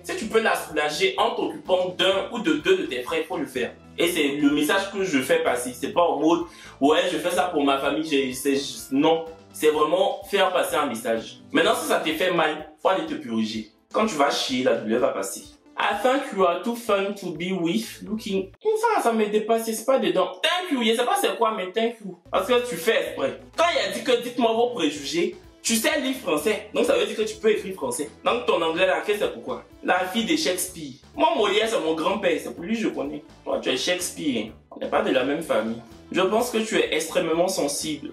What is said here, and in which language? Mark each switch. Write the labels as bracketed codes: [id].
[fr] Si tu peux la soulager en t'occupant d'un ou de deux de tes frères, il faut le faire. Et c'est le message que je fais passer. C'est pas en mode, ouais, je fais ça pour ma famille, c'est juste... Non, c'est vraiment faire passer un message. Maintenant, si ça t'est fait mal, faut aller te purger. Quand tu vas chier, la douleur va passer. [en] I think you are too fun to be with looking. [fr] Enfin, ça m'est dépassé, c'est pas dedans. [en] Thank you, [fr] je sais pas c'est quoi, mais [en] thank you. [fr] Parce que tu fais exprès. Quand il a dit que dites-moi vos préjugés, tu sais lire français. Donc ça veut dire que tu peux écrire français. Donc ton anglais là, qu'est-ce que c'est pourquoi? La fille de Shakespeare. Moi, Molière, c'est mon grand-père, c'est pour lui que je connais. Toi, tu es Shakespeare, hein. On n'est pas de la même famille. Je pense que tu es extrêmement sensible.